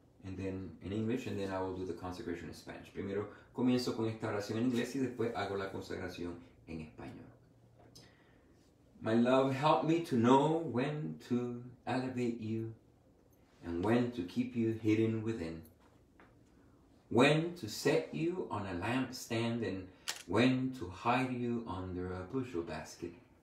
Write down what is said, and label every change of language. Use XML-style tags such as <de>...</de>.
<en>and then in English, and then I will do the consecration in Spanish.</en> <es>Primero comienzo con esta oración en inglés y después hago la consagración en español.</es> <en>My love, help me to know when to elevate you and when to keep you hidden within. When to set you on a lampstand and when to hide you under a bushel basket.</en>